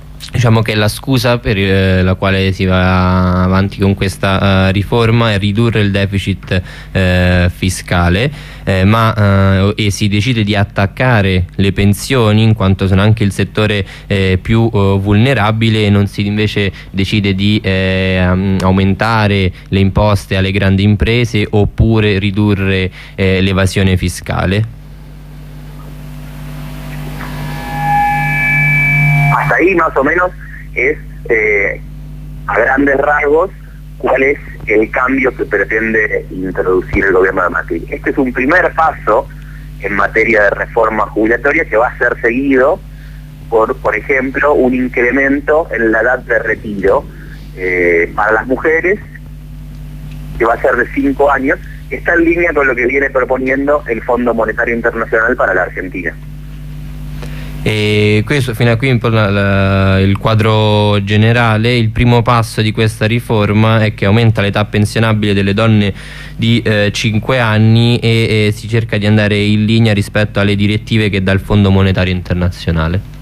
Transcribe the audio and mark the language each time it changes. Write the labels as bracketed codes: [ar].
[it] Diciamo che la scusa per la quale si va avanti con questa riforma è ridurre il deficit fiscale, e si decide di attaccare le pensioni in quanto sono anche il settore più vulnerabile, e non si invece decide di aumentare le imposte alle grandi imprese oppure ridurre l'evasione fiscale. [es] Hasta ahí más o menos es a grandes rasgos cuál es el cambio que pretende introducir el gobierno de Macri. Este es un primer paso en materia de reforma jubilatoria que va a ser seguido por ejemplo, un incremento en la edad de retiro para las mujeres, que va a ser de 5 años, está en línea con lo que viene proponiendo el Fondo Monetario Internacional para la Argentina. [it] E questo fino a qui il quadro generale. Il primo passo di questa riforma è che aumenta l'età pensionabile delle donne di 5 anni e si cerca di andare in linea rispetto alle direttive che dà il Fondo Monetario Internazionale.